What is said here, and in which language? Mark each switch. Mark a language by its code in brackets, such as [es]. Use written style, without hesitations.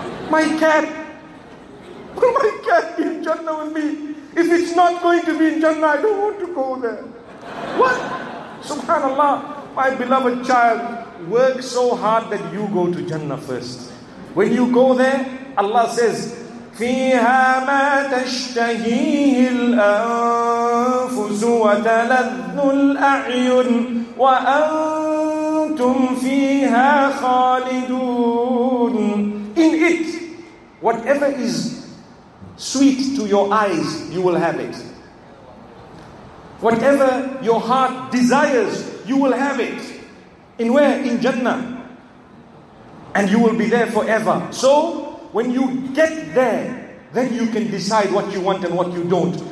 [en] My cat? Will my cat be in Jannah with me? If it's not going to be in Jannah, I don't want to go there. What? Subhanallah, my beloved child, work so hard that you go to Jannah first. When you go there, Allah says, [ar] فيها ما تشتهيه الأنفس وتلذ الأعين وأنتم فيها خالدون. [en] In it, whatever is sweet to your eyes, you will have it. Whatever your heart desires, you will have it. In where? In Jannah. And you will be there forever. So, when you get there, then you can decide what you want and what you don't.